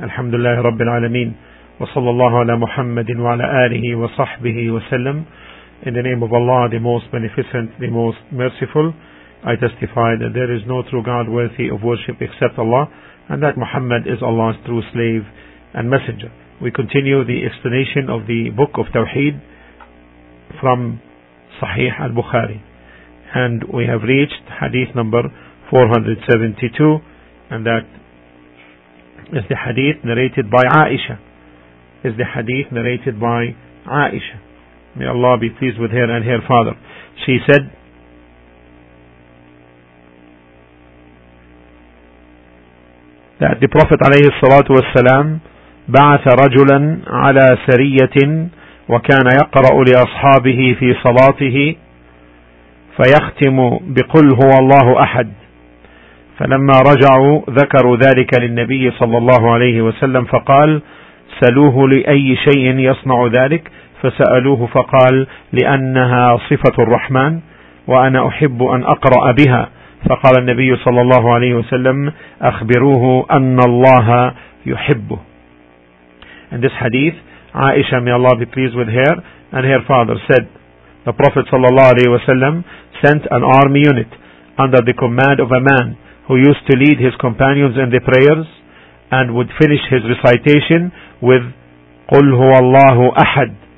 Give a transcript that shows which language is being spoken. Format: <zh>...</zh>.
<ar>الحمد لله رب العالمين، وصلى الله على محمد وعلى آله وصحبه وسلم.</ar> <en>In the name of Allah, the most beneficent, the most merciful, I testify that there is no true God worthy of worship except Allah, and that Muhammad is Allah's true slave and messenger. We continue the explanation of the book of Tawheed from Sahih al-Bukhari, and we have reached hadith number 472, and that is the hadith narrated by Aisha. May Allah be pleased with her and her father. She said, that the Prophet</en> <ar>عليه الصلاة والسلام بعث رجلا على سرية وكان يقرأ لأصحابه في صلاته فيختم بقل هو الله أحد، فلما رجعوا ذكروا ذلك للنبي صلى الله عليه وسلم فقال سألوه لأي شيء يصنع ذلك، فسألوه فقال لأنها صفة الرحمن وأنا أحب أن أقرأ بها، فقال النبي صلى الله عليه وسلم أخبروه أن الله يحبه.</ar> <en>In this hadith, Aisha, may Allah be pleased with her and her father, said the Prophet</en> <ar>صلى الله عليه وسلم</ar> <en>sent an army unit under the command of a man who used to lead his companions in the prayers and would finish his recitation with</en> <ar>قُلْ هُوَ اللَّهُ أَحَدٌ.</ar>